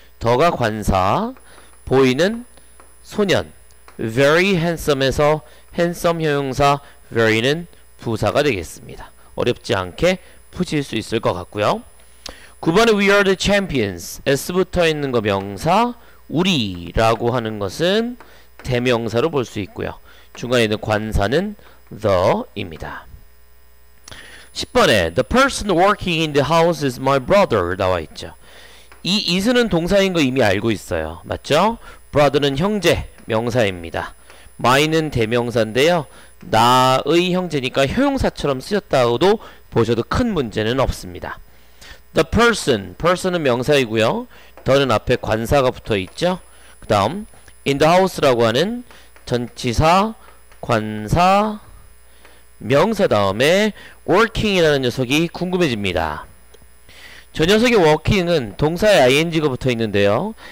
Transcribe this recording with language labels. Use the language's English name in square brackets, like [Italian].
[Korean] 더가 관사 보이는 소년 [English] very handsome [Korean] 에서 handsome 형용사 very는 부사가 되겠습니다. 어렵지 않게 푸실 수 있을 것 같고요. 9번의 [English] we are the champions [Korean] s부터 있는 거 명사 우리라고 하는 것은 대명사로 볼 수 있고요. 중간에 있는 관사는 the입니다. 10번에 [English] the person working in the house is my brother [Korean] 나와 있죠. 이 is는 동사인 거 이미 알고 있어요. 맞죠? brother는 형제, 명사입니다. my는 대명사인데요. 나의 형제니까 형용사처럼 쓰였다고도 보셔도 큰 문제는 없습니다. the person, person은 명사이고요. the는 앞에 관사가 붙어 있죠. 그 다음 in the house라고 하는 전치사, 관사, 명사 다음에 working이라는 녀석이 궁금해집니다. 저 녀석의 working은 동사에 ing가 붙어 있는데요.